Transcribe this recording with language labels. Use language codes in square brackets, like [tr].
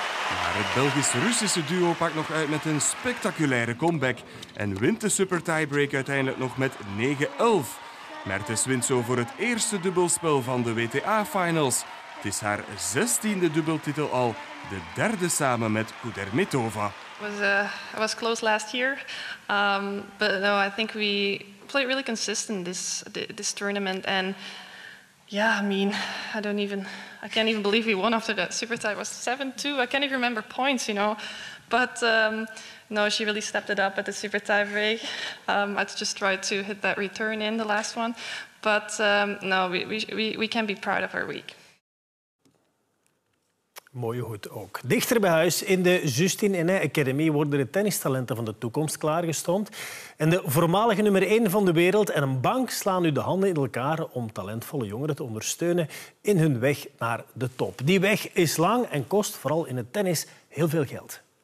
[nl] Maar het Belgisch-Russische duo pakt nog uit met een spectaculaire comeback en wint de super tiebreak uiteindelijk nog met 9-11. Mertens wint zo voor het eerste dubbelspel van de WTA-finals. Het is haar 16e dubbeltitel al, de derde samen met Kudermetova. [en] I was close last year, but no, I think we played really consistent this tournament and yeah, I mean, I can't even believe we won after that super tie. It was 7-2. I can't even remember points, you know. But no, she really stepped it up at the super tie break. I just tried to hit that return in the last one. But no, we can be proud of our week. [nl] Mooie hoed ook. Dichter bij huis in de Justine Henin Academy worden de tennistalenten van de toekomst klaargestoomd. En de voormalige nummer 1 van de wereld en een bank slaan nu de handen in elkaar om talentvolle jongeren te ondersteunen in hun weg naar de top. Die weg is lang en kost vooral in het tennis heel veel geld.